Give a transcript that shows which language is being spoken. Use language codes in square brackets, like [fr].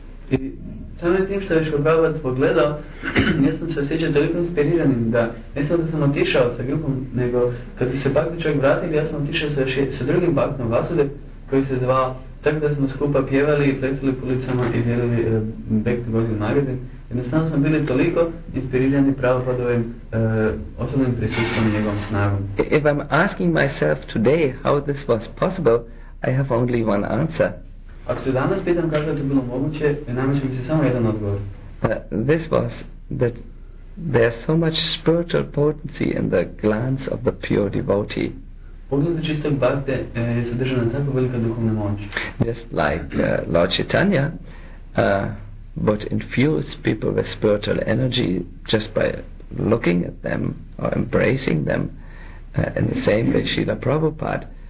[hr] I samim tim što je Šrila Prabhupada pogledao, ja sam se osjećao toliko inspiriranim da ne samo da sam otišao sa grupom, nego kad se bhakti čovjek vratili, ja sam otišao sa drugim bhaktom Vasudev koji se zvao, tako da smo skupa pjevali i pletili po ulicama i dijelili back to God nagrade. Jednostavno smo bili toliko inspirirani Prabhupadovim osobnim prisustvom i njegovom snagom. [en] If I'm asking myself today how this was possible, I have only one answer. [hr] Ako se danas pitam kako je to bilo moguće, namjeća mi se samo jedan odgovor. [en] This was that there's so much spiritual potency in the glance of the pure devotee. [hr] Pogled čistog bhakte je sadržana tako velika duhovna moć. [en] Just like Lord Chaitanya would infuse people with spiritual energy just by looking at them or embracing them. In the same way, Srila Prabhupada